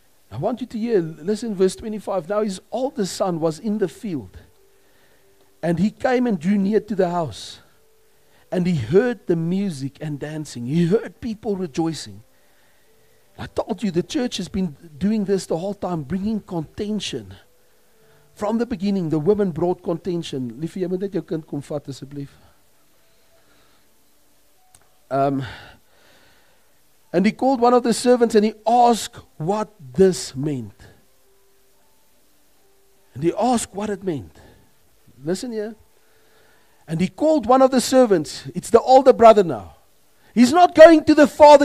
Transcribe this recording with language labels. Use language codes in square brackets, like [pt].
[en] I want you to hear, listen, verse 25. Now his oldest son was in the field, and he came and drew near to the house. And he heard the music and dancing. He heard people rejoicing. I told you, the church has been doing this the whole time, bringing contention. From the beginning, the women brought contention. [af] Liefie, jy moet net jou kind kom vat, asseblief. [en] And he called one of the servants and he asked what this meant. And he asked what it meant. Listen here. And he called one of the servants. It's the older brother now. He's not going to the father.